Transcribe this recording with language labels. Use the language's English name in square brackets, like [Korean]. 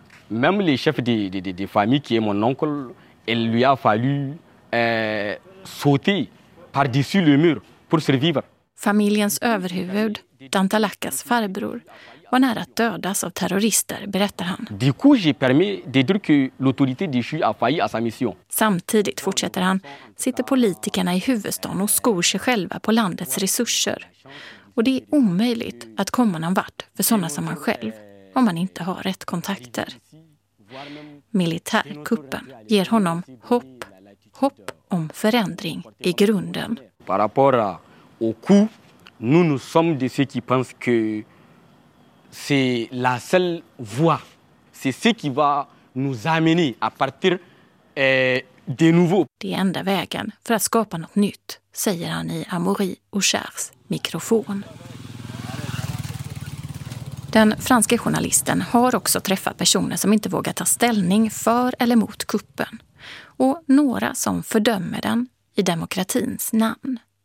[French] Même les chefs de famille qui est mon oncle. Il lui a fallu sauter par-dessus le mur pour survivre. [Swedish] Familjens överhuvud, Dantalakas farbror, var nära att dödas av terrorister, berättar han. [French] Du coup, j'ai permis de dire que l'autorité déchue a failli à sa mission. [Swedish] Samtidigt, fortsätter han, sitter politikerna i huvudstaden och skor sig själva på landets resurser. Och det är omöjligt att komma någon vart för sådana som man själv, om man inte har rätt kontakter. Militärkuppen ger honom hopp, hopp om förändring i grunden. [French] Par rapport au coup, nous nous sommes de ceux qui pensent que c'est la seule voie, c'est ce qui va nous amener à partir de nouveau. [Swedish] Det är enda vägen för att skapa något nytt, säger han i Amaury Ouchers mikrofon. Den franske journalisten har också träffat personer som inte vågar ta ställning för eller mot kuppen. Och några som fördömer den i demokratins namn.